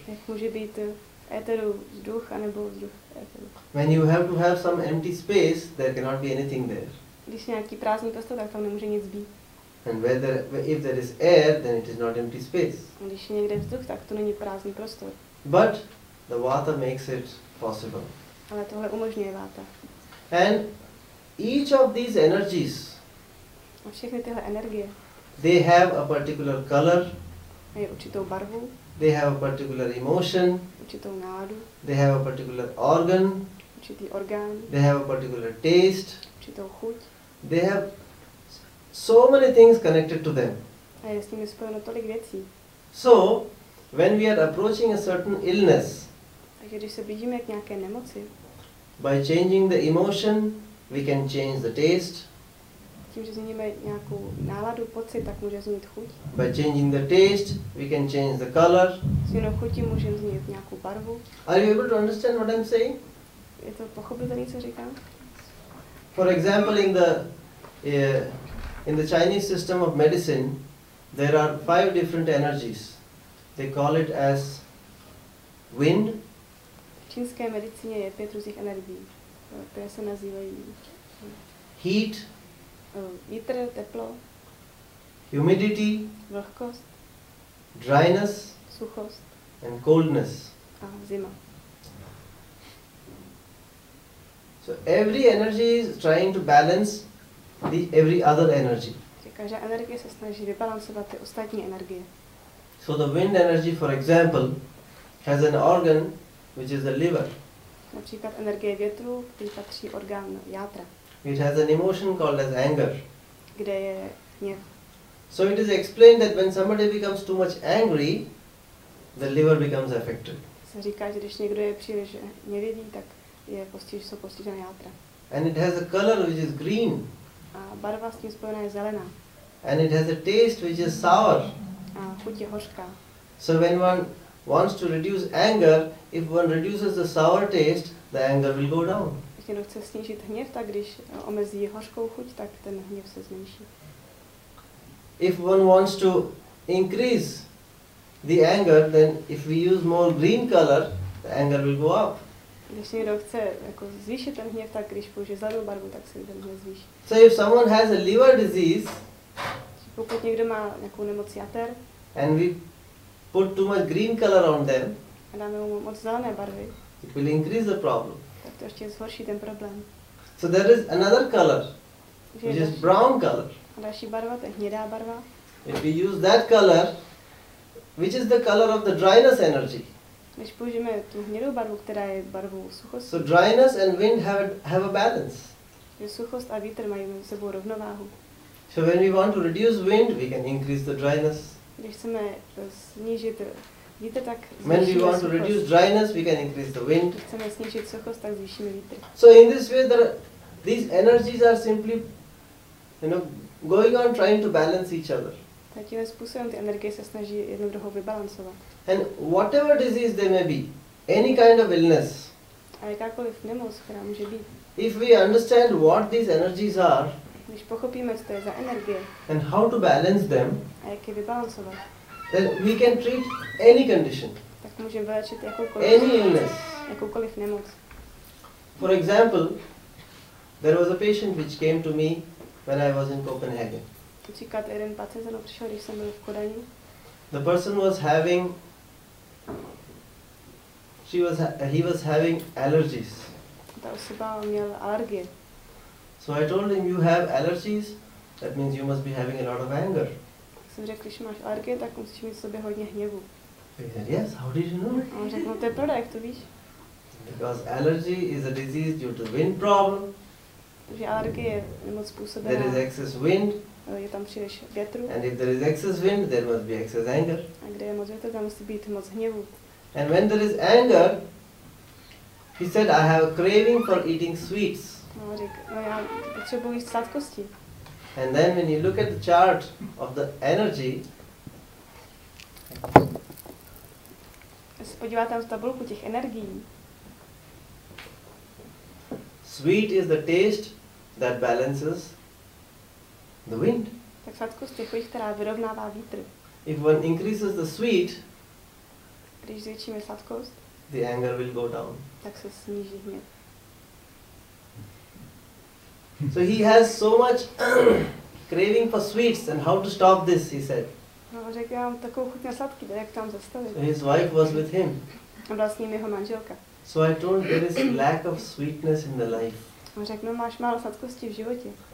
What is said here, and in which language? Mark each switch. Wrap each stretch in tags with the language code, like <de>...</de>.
<cs>Jak může být éteru vzduch anebo vzduch éteru?</cs> <en>When you have to have some empty space, there cannot be anything there.</en> <cs>Když je nějaký prázdný prostor, tak tam nemůže nic být.</cs> <en>And if there is air, then it is not empty space.</en> <cs>Když je někde vzduch, tak to není prázdný prostor.</cs> <en>But the vata makes it possible.</en> <cs>Ale tohle umožňuje vata.</cs> <en>And each of these energies.</en> <cs>A všechny tyhle energie.</cs> <en>They have a particular color.</en> <cs>Mají určitou barvu.</cs> <en>They have a particular emotion.</en> <cs>Určitou náladu.</cs> <en>They have a particular organ.</en> <cs>Určitý orgán.</cs> <en>They have a particular taste.</en> <cs>Určitou chuť.</cs> <en>They have so many things connected to them.</en> <cs>A je s nimi spojeno tolik věcí.</cs> <en>So, when we are approaching a certain illness.</en> <cs>Takže když se blížíme k nějaké nemoci.</cs> <en>By changing the emotion, we can change the taste.</en> <cs>tím, že změníme nějakou náladu, pocit, tak může změnit chuť.</cs> <en>By changing the taste, we can change the color.</en> <cs>Změnou chuti můžeme změnit nějakou barvu.</cs> <en>Are you able to understand what I'm saying?</en> <cs>Je to pochopitelné, co říkám?</cs> <en>For example, in the Chinese system of medicine, there are five different energies. They call it as wind.</en> <cs>V čínské medicíně je pět různých energií. To se nazývají</cs> <en>heat,</en> <cs>vítr, teplo,</cs> <en>humidity,</en> <cs>vlhkost,</cs> <en>dryness,</en> <cs>suchost,</cs> <en>and coldness,</en> <cs>a zima.</cs> <en>So every energy is trying to balance the every other energy.</en> <cs>Každá energie se snaží vybalancovat ty ostatní energie.</cs> <en>So the wind energy, for example, has an organ which is the liver.</en> <cs>Například energie větru, který patří orgán játra.</cs> <en>It has an emotion called as anger.</en> <cs>Kde je hněv.</cs> <en>So it is explained that when somebody becomes too much angry, the liver becomes affected.</en> <cs>Se říká, že když někdo je příliš hněvivý, tak je postižen játra.</cs> <en>And it has a color which is green.</en> <cs>A barva s tím spojená je zelená.</cs> <en>And it has a taste which is sour.</en> <cs>A chuť je hořká.</cs> <en>So when one wants to reduce anger, if one reduces the sour taste, the anger will go down.</en> <cs>Když chce snížit hněv, tak když omezí hořkou chuť, tak ten hněv se zmenší.</cs> <en>If one wants to increase the anger, then if we use more green color, the anger will go up.</en> <cs>Když někdo chce jako zvýšit ten hněv, tak když použije zelenou barvu, tak se ten hněv zvýší.</cs> <en>So if someone has a liver disease,</en> <cs>pokud někdo má nějakou nemoc jater,</cs> <en>and we put too much green color on them,</en> <cs>a dáme mu moc zelené barvy,</cs> <en>it will increase the problem.</en> <cs>Tak to ještě zhorší ten problém.</cs> <en>So there is another color, which is brown color.</en> <cs>A další barva, to je hnědá barva.</cs> <en>If we use that color, which is the color of the dryness energy.</en> <cs>Když použijeme tu hnědou barvu, která je barvou suchosti.</cs> <en>So dryness and wind have a balance.</en> <cs>Že suchost a vítr mají mezi sebou rovnováhu.</cs> <en>So when we want to reduce wind, we can increase the dryness.</en> <cs>Když chceme snížit vítr, tak zvýšíme</cs> <en>suchost. When we want to reduce dryness, we can increase the wind.</en> <cs>Když chceme snížit suchost, tak zvýšíme vítr.</cs> <en>So in this way, these energies are simply, going on trying to balance each other.</en> <cs>Tak tímhle způsobem ty energie se snaží jedno druhou vybalancovat.</cs> <en>And whatever disease there may be, any kind of illness.</en> <cs>A jakákoliv nemoc, která může být.</cs> <en>If we understand what these energies are,</en> <cs>když pochopíme, co to je za energie,</cs> <en>and how to balance them,</en> <cs>a jak je vybalancovat,</cs> <en>then we can treat any condition,</en> <cs>tak můžeme vylečit jakoukoliv,</cs> <en>any illness,</en> <cs>jakoukoliv nemoc.</cs> <en>For example, there was a patient which came to me when I was in Copenhagen.</en> <cs>Například jeden pacient se mnou přišel, když jsem byl v Kodani.</cs> <en>The person was having, he was having allergies.</en> <cs>Ta osoba měla alergie.</cs> <en>So I told him, you have allergies, that means you must be having a lot of anger.</en> <cs>Jsem řekl, když máš alergie, tak musíš mít v sobě hodně hněvu.</cs> <en>Yes, how did you know?</en> <cs>On řekl, to je pravda, jak to víš?</cs> <en>Because allergy is a disease due to wind problem.</en> <cs>Že alergie je nemoc způsobená.</cs> <en>There is excess wind.</en> <cs>Je tam příliš větru.</cs> <en>And if there is excess wind, there must be excess anger.</en> <cs>A kde je moc větru, tam musí být moc hněvu.</cs> <en>And when there is anger, he said, I have a craving for eating sweets.</en> <cs>No, já potřebuji sladkosti.</cs> <en>And then when you look at the chart of the energy,</en> <cs>podíváte na tabulku těch energií.</cs> <en>Sweet is the taste that balances the wind.</en> <cs>Tak sladkost je chuť, která vyrovnává vítr.</cs> <en>If one increases the sweet,</en> <cs>když zvětšíme sladkost,</cs> <en>the anger will go down.</en> <cs>Tak se sníží hněv.</cs> <en>So he has so much craving for sweets, and how to stop this, he said.</en> <cs>No, řekl, já mám takovou chuť na sladký, jak tam zastavit.</cs> <en>So his wife was with him.</en> <cs>A byla s ním jeho manželka.</cs> <en>So I told, there is lack of sweetness in the life.</en> <cs>On řekl, no, máš málo sladkosti v životě.</cs>